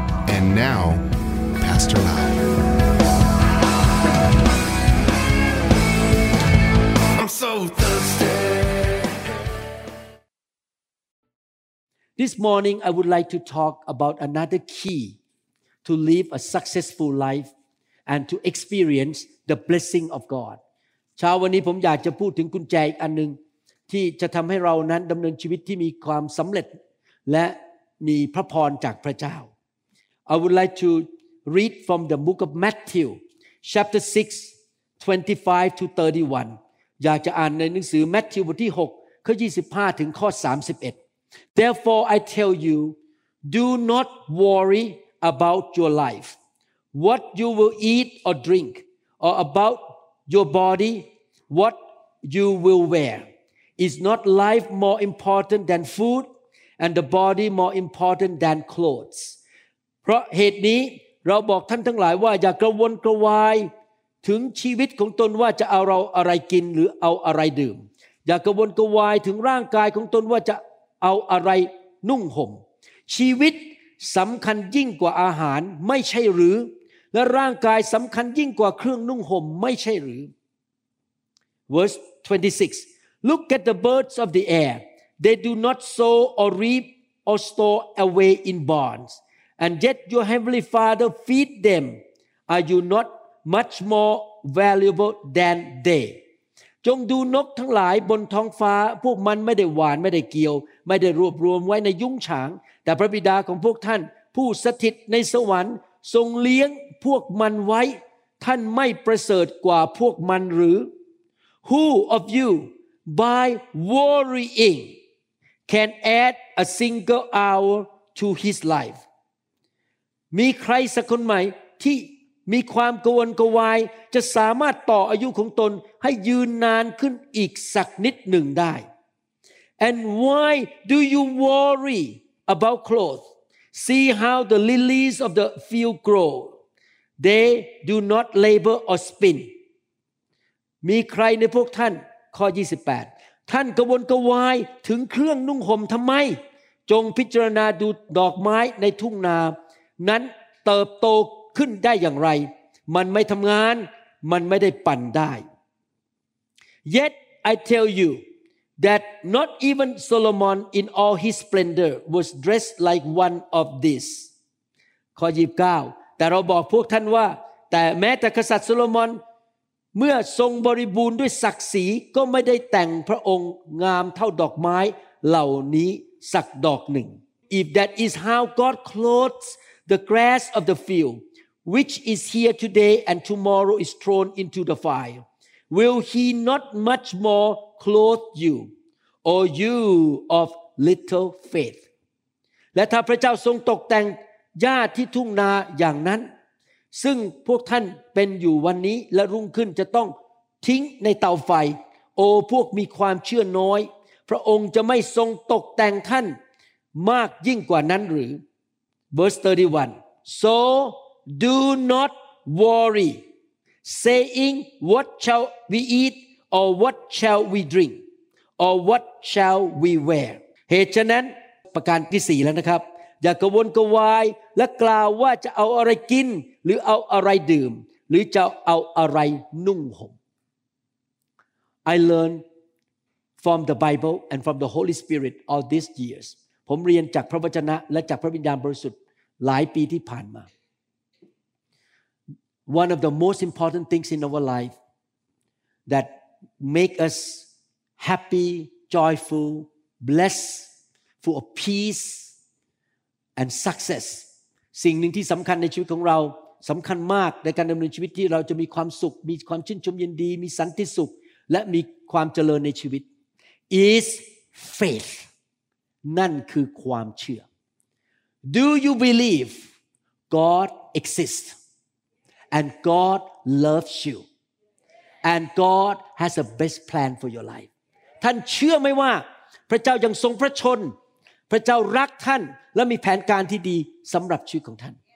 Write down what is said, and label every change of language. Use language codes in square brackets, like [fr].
[en] And now, Pastor Lau. I'm so thirsty. This morning, I would like to talk about another key to live a successful life and to experience the blessing of God. [th] เช้าวันนี้ผมอยากจะพูดถึงกุญแจอีกอันนึงที่จะทำให้เรานั้นดำเนินชีวิตที่มีความสำเร็จและมีพระพรจากพระเจ้า [en] I would like to read from the book of Matthew, chapter 6, 25 to 31. [th] อยากจะอ่านในหนังสือ Matthew บทที่6ข้อ25ถึงข้อ31 [en] Therefore, I tell you, do not worry about your life, what you will eat or drink, or about your body, what you will wear. Is not life more important than food, and the body more important than clothes? [th] เพราะเหตุนี้เราบอกท่านทั้งหลายว่าอย่ากระวนกระวายถึงชีวิตของตนว่าจะเอาเราอะไรกินหรือเอาอะไรดื่มอย่ากระวนกระวายถึงร่างกายของตนว่าจะเอาอะไรนุ่งห่มชีวิตสำคัญยิ่งกว่าอาหารไม่ใช่หรือและร่างกายสำคัญยิ่งกว่าเครื่องนุ่งห่มไม่ใช่หรือ [en] Verse 26 Look at the birds of the air. They do not sow or reap or store away in barns. And yet your heavenly Father feed them. Are you not much more valuable than they? [th] จงดูนกทั้งหลายบนท้องฟ้าพวกมันไม่ได้หว่านไม่ได้เกี่ยวไม่ได้รวบรวมไว้ในยุ้งฉางแต่พระบิดาของพวกท่านผู้สถิตในสวรรค์ทรงเลี้ยงพวกมันไว้ท่านไม่ประเสริฐกว่าพวกมันหรือ Who of you by worrying can add a single hour to his life มีใครสักคนไหมที่มีความกังวลกังวายจะสามารถต่ออายุของตนให้ยืนนานขึ้นอีกสักนิดหนึ่งได้ [en] And why do you worry about clothes? See how the lilies of the field grow. They do not labor or spin. [th] มีใครในพวกท่านข้อ28ท่านกังวลกังวายถึงเครื่องนุ่งห่มทำไมจงพิจารณาดูดอกไม้ในทุ่งนานั้นเติบโตขึ้นได้อย่างไรมันไม่ทำงานมันไม่ได้ปั่นได้ [en] Yet I tell you that not even Solomon in all his splendor was dressed like one of these [th] ข้อ29แต่เราบอกพวกท่านว่าแต่แม้แต่กษัตริย์โซโลมอนเมื่อทรงบริบูรณ์ด้วยศักดิ์ศรีก็ไม่ได้แต่งพระองค์งามเท่าดอกไม้เหล่านี้สักดอกหนึ่ง [en] If that is how God clothes the grass of the fieldWhich is here today and tomorrow is thrown into the fire. Will he not much more clothe you, O you of little faith? [th] และถ้าพระเจ้าทรงตกแต่งหญ้าที่ทุ่งนาอย่างนั้นซึ่งพวกท่านเป็นอยู่วันนี้และรุ่งขึ้นจะต้องทิ้งในเตาไฟโอ้พวกมีความเชื่อน้อยพระองค์จะไม่ทรงตกแต่งท่านมากยิ่งกว่านั้นหรือ [en] Verse 31 SoDo not worry, saying, "What shall we eat, or what shall we drink, or what shall we wear?" [th] เหตุฉะนั้นประการที่สี่แล้วนะครับอย่ากังวลกังวายและกล่าวว่าจะเอาอะไรกินหรือเอาอะไรดื่มหรือจะเอาอะไรนุ่งห่ม [en] I learned from the Bible and from the Holy Spirit all these years. [th] ผมเรียนจากพระวจนะและจากพระวิญญาณบริสุทธิ์หลายปีที่ผ่านมา [en] One of the most important things in our life that make us happy, joyful, blessed, full of peace and success. [th] สิ่งหนึ่งที่สำคัญในชีวิตของเราสำคัญมากในการดำเนินชีวิตที่เราจะมีความสุขมีความชื่นชมยินดีมีสันติสุขและมีความเจริญในชีวิต [en] is faith. [th] นั่นคือความเชื่อ [en] Do you believe God exists? And God loves you. And God has a best plan for your life. [th] ท่านเชื่อไหมว่าพระเจ้ายังทรงพระชนพระเจ้ารักท่านและมีแผนการที่ดีสำหรับชีวิตของท่าน